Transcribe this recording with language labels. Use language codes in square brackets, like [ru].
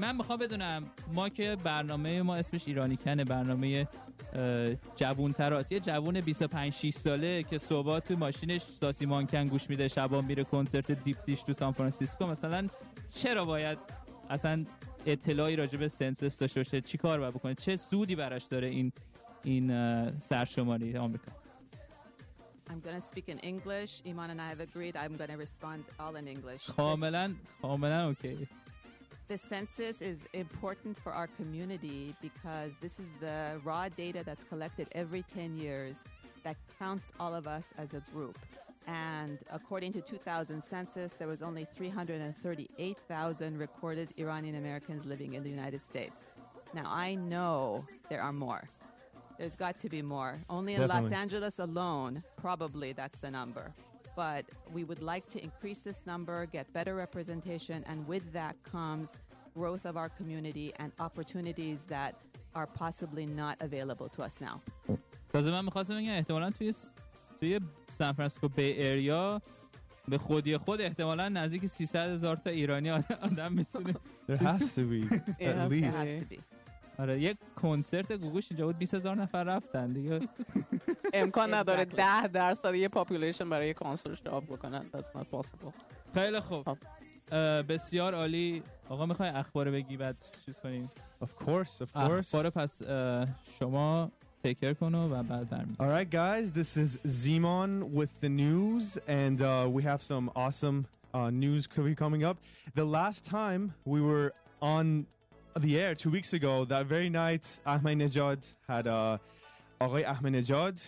[fa] من میخوام بدونم، ما که برنامه ما اسمش ایرانی کنه، برنامه جوونتر هست، یه جوون 25-6 ساله که صبح تو ماشینش ساسی مانکن گوش میده، شبا میره کنسرت دیپ دیش تو سان فرانسیسکو، مثلا چرا باید اصلا اطلاعی راجع به سنسس داشته باشه؟ چی کار باید بکنه؟ چه سودی براش داره این سرشماری آمریکا؟ [en] I'm going to speak in English. Iman and I have agreed I'm going to respond all in English. [fa] کاملا اوکی. [en] The census is important for our community because this is the raw data that's collected every 10 years that counts all of us as a group. And according to 2000 census, there was only 338,000 recorded Iranian Americans living in the United States. Now, I know there are more. There's got to be more. Only in Definitely. Los Angeles alone, probably that's the number. But we would like to increase this number, get better representation, and with that comes growth of our community and opportunities that are possibly not available to us now. [fa] تازه من می‌خواستم بگم احتمالاً توی سان فرانسیسکو بی ایریا به خودی خود احتمالاً نزدیک 300,000 تا ایرانی آدم میتونه. [en] There has to be. At least. [fa] آره یک کنسرت گوگوش اینجا بود 20,000 نفر رفتن دیگه. امکان نداره 10% یه پاپولیشن برای یه کنسرت شاب بکنن. [en] That's not possible. [fa] خیلی خوب. بسیار عالی. آقا میخوای اخبار بگی بعد چیز کنیم؟ [en] Of course. [fa] اخبار پس شما تیکر کنو و بعد برمید. [en] Alright guys, this is Zeman with the news and we have some awesome news coming up. The last time we were on the air 2 weeks ago, that very night, Ahmadinejad had Aghai Ahmadinejad.